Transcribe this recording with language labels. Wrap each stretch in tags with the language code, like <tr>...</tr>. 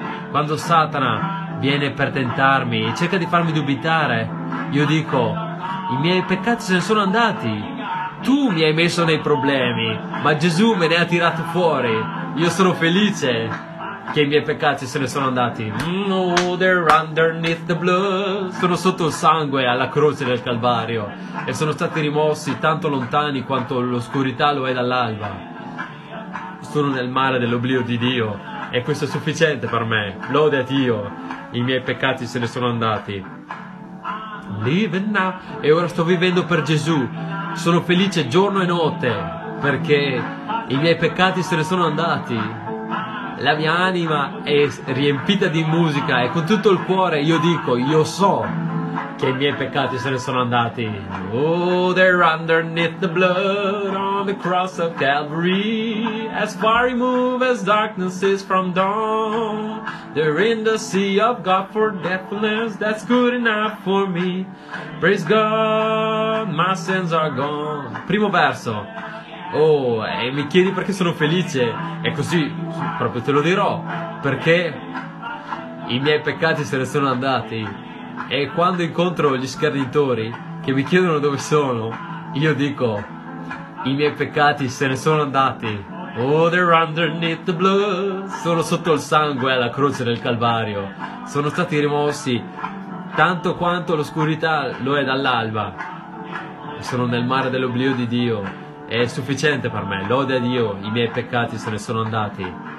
<it>Quando Satana viene per tentarmi e cerca di farmi dubitare, io dico: i miei peccati se ne sono andati. Tu mi hai messo nei problemi, ma Gesù me ne ha tirato fuori. Io sono felice che i miei peccati se ne sono andati.</it> <en>Oh, they're underneath the blood.</en> <it>Sono sotto il sangue alla croce del Calvario, e sono stati rimossi tanto lontani quanto l'oscurità lo è dall'alba. Sono nel mare dell'oblio di Dio, e questo è sufficiente per me. Lode a Dio. I miei peccati se ne sono andati.</it> <en>Living now.</en> <it>E ora sto vivendo per Gesù. Sono felice giorno e notte, perché i miei peccati se ne sono andati. La mia anima è riempita di musica, e con tutto il cuore io dico: io so che i miei peccati se ne sono andati.</it> <en>Oh, they're underneath the blood on the cross of Calvary, as far removed as darkness is from dawn. They're in the sea of God for deathfulness, that's good enough for me. Praise God, my sins are gone.</en> <it>Primo verso. Oh, e mi chiedi perché sono felice? E così proprio te lo dirò: perché i miei peccati se ne sono andati. E quando incontro gli scarnitori che mi chiedono dove sono, io dico: i miei peccati se ne sono andati.</it> <en>Oh, they're underneath the blood.</en> <it>Sono sotto il sangue alla croce del Calvario. Sono stati rimossi tanto quanto l'oscurità lo è dall'alba. Sono nel mare dell'oblio di Dio. È sufficiente per me. Lode a Dio. I miei peccati se ne sono andati.</it>